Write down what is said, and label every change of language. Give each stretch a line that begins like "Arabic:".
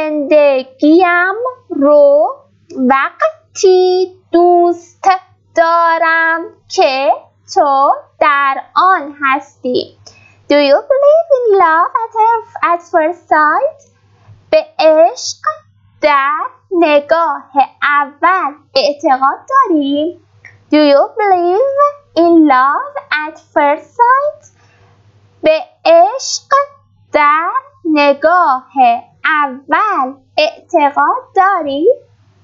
Persian: زندگیم رو وقتی دوست دارم که تو در آن هستی.
English: Do you believe in love at first sight?
Persian: به عشق در نگاه اول اعتقاد داری؟
English: Do you believe in love at first sight?
Persian: به عشق در نگاه اول اعتقاد داری؟